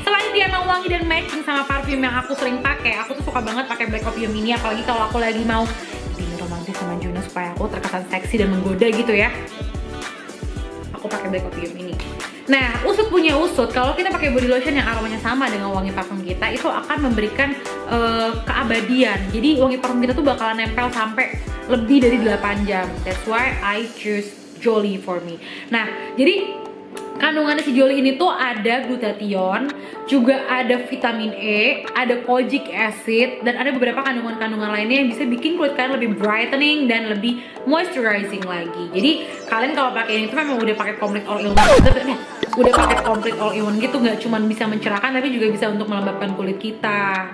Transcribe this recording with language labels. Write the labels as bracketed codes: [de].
[id] Selain dia emang wangi dan matching sama parfum yang aku sering pakai, aku tuh suka banget pakai Black Opium ini, apalagi kalau aku lagi mau dingin romantis sama Juno supaya aku terkesan seksi dan menggoda gitu ya. Aku pakai Black Opium ini. Nah, usut punya usut, kalau kita pakai body lotion yang aromanya sama dengan wangi parfum kita, itu akan memberikan keabadian. Jadi wangi parfum kita tuh bakalan nempel sampai lebih dari 8 jam. [en] That's why I choose Jolly for me. [id] Nah, jadi kandungannya si Jolly ini tuh ada glutathione, juga ada vitamin E, ada kojic acid, dan ada beberapa kandungan-kandungan lainnya yang bisa bikin kulit kalian lebih brightening dan lebih moisturizing lagi. Jadi kalian kalau pakai ini tuh memang udah pakai [en] complete all in one. [id] Udah pakai complete all in one gitu, nggak cuma bisa mencerahkan tapi juga bisa untuk melembabkan kulit kita.